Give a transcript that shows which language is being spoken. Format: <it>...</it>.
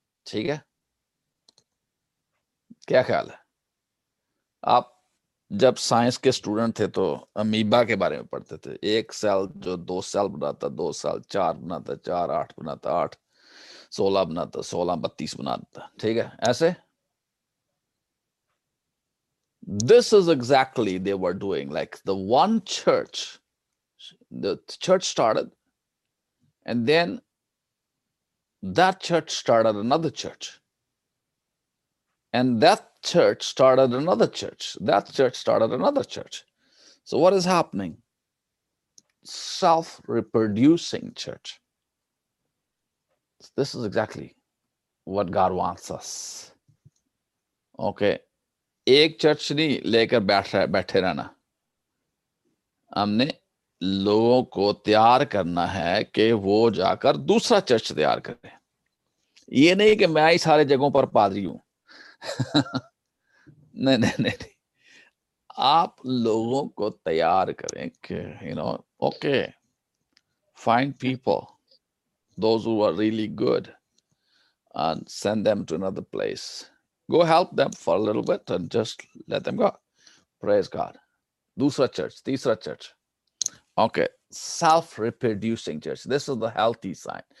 <ur>ٹھیک ہے، کیا خیال ہے؟ آپ جب سائنس کے اسٹوڈنٹ تھے تو امیبا کے بارے میں پڑھتے تھے، ایک سیل جو دو سیل بناتا، دو سیل چار بناتا، چار آٹھ بناتا، آٹھ سولہ بناتا، سولہ بتیس بناتا. ٹھیک ہے، ایسے</ur> <en>this is exactly they were doing. Like the one church, the church started and then that church started another church and that church started another church, that church started another church. So what is happening? Self-reproducing church. So this is exactly what God wants us.</en> <ur>Okay, ایک church نہیں لے کر بیٹھے رہنا، ہم نے لوگوں کو تیار کرنا ہے کہ وہ جا کر دوسرا چرچ تیار کرے. یہ نہیں کہ میں ہی سارے جگہوں پر پادری ہوں. نہیں نہیں نہیں، آپ لوگوں کو تیار کریں کہ</ur> <en>You know okay find people those who are really good and send them to اندر place. Go help them for a little bit and just let them go. Praise God.</en> <ur>Dusra church, teesra church.</ur> <en>Okay, self-reproducing church. This is the healthy sign.</en>